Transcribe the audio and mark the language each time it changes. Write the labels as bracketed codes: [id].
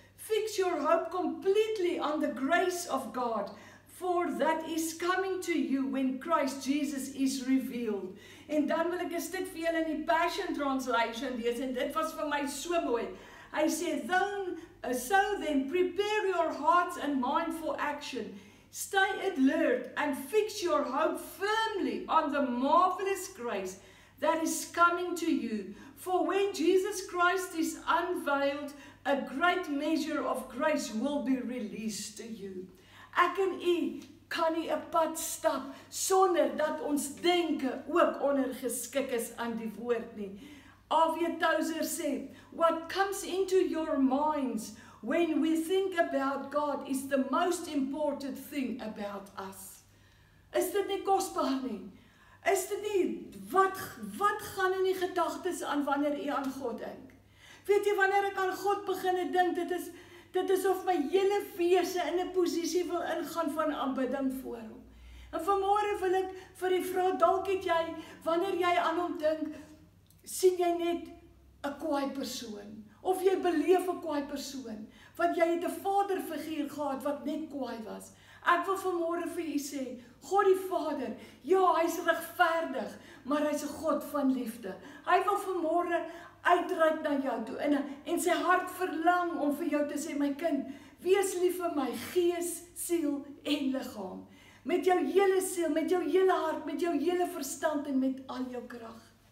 [en] Fix your hope completely on the grace of God, for that is coming to you when Christ Jesus is revealed. [af] En dan wil ek 'n stuk vir julle in die Passion Translation lees, en dit was vir my so mooi. [en] Hy sê, so then prepare your hearts and mind for action. Stay alert and fix your hope firmly on the marvelous grace that is coming to you. For when Jesus Christ is unveiled, a great measure of grace will be released to you. [af] Ek en u kan nie 'n pad stap sonder dat ons denke ook ondergeskik is aan die woord nie. [en] A.W. Tozer sê, what comes into your minds when we think about God is the most important thing about us. [af] Is dit nie kosbaar nie? Is dit nie, wat gaan in die gedagtes aan wanneer u aan God dink? Weet jy, wanneer ek aan God beginne dink, dit is of my hele wese in 'n posisie wil ingaan van aanbidding voor hom. En vanmôre wil ek vir die vrou, dalk het jy, wanneer jy aan hom dink, sien jy net 'n kwaai persoon, of jy beleef 'n kwaai persoon, want jy het 'n vaderfiguur gehad wat net kwaai was. Ek wil vanmôre vir u sê, God die Vader, ja, hy's regverdig, maar hy's 'n God van liefde. Hy wil vanmôre uitreik na jou toe en sy hart verlang om vir jou te sê, my kind, wees lief vir my gees, siel en liggaam. Met jou hele siel, met jou hele hart, met jou hele verstand en met al jou krag.